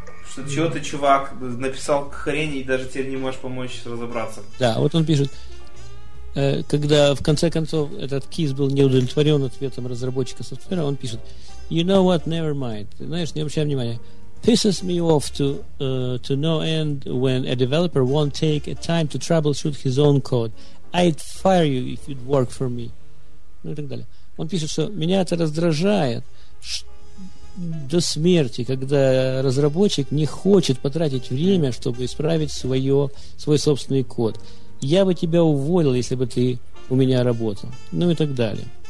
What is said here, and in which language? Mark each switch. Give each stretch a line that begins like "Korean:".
Russian: Что, чего ты, чувак, написал хрень и даже теперь не можешь помочь разобраться. Да, вот он пишет. когда в конце концов этот Кис был не удовлетворен ответом разработчика софтвера, он пишет:
English: You know what, never mind.
Russian: Знаешь, не обращай внимания.
English: Pisses me off to no end when a developer won't take a time to troubleshoot his own code. I'd fire you if you'd work for me.
Russian: Ну и так далее. Он пишет, что меня это раздражает до смерти, когда разработчик не хочет потратить время, чтобы исправить свой собственный код. Я бы тебя уволил, если бы ты у меня работал. Ну и так далее.